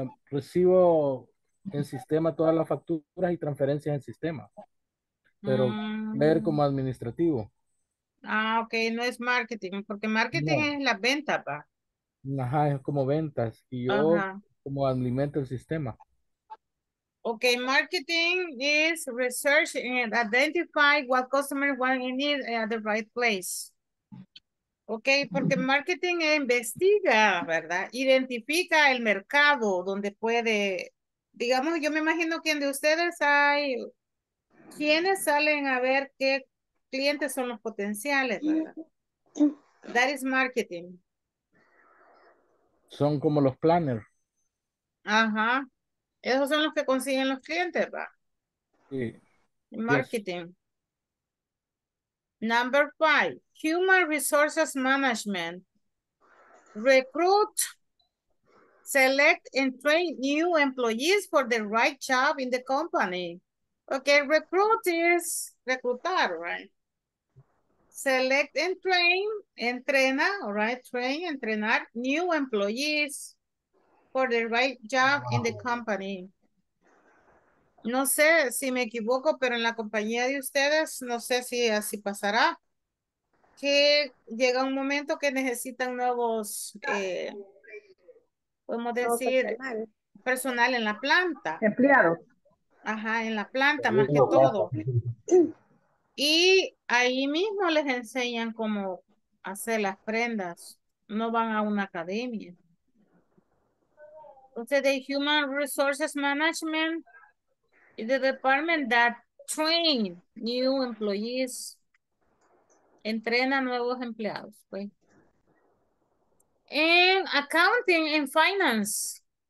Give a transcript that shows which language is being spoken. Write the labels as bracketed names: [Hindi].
[Spanish] recibo en sistema todas las facturas y transferencias en sistema, pero ver como administrativo. Ah, ok, no es marketing, porque marketing no. Es la venta, pa. Ajá, es como ventas, y yo como alimento el sistema. [English] Ok, marketing is research and identify what customers want and need at the right place. [Spanish] Ok, porque marketing investiga, ¿verdad? Identifica el mercado donde puede, digamos, yo me imagino quién de ustedes hay, quiénes salen a ver qué clientes son los potenciales, ¿verdad? [English] That is marketing. [Spanish] Son como los planners. Ajá, esos son los que consiguen los clientes, ¿verdad? Sí. [English] Marketing. Yes. Number five, human resources management. Recruit, select, and train new employees for the right job in the company. Okay, recruit is reclutar, right? Select and train, entrena, all right? Train, entrenar new employees for the right job in the company. [Spanish] No sé si me equivoco, pero en la compañía de ustedes, no sé si así pasará, que llega un momento que necesitan nuevos podemos decir personal en la planta. Empleado. Ajá, en la planta más que todo. Y ahí mismo les enseñan cómo hacer las prendas. No van a una academia. [English] Entonces, the Human Resources Management is the department that train new employees. [Spanish] Entrena nuevos empleados. Pues. [English] And accounting and finance.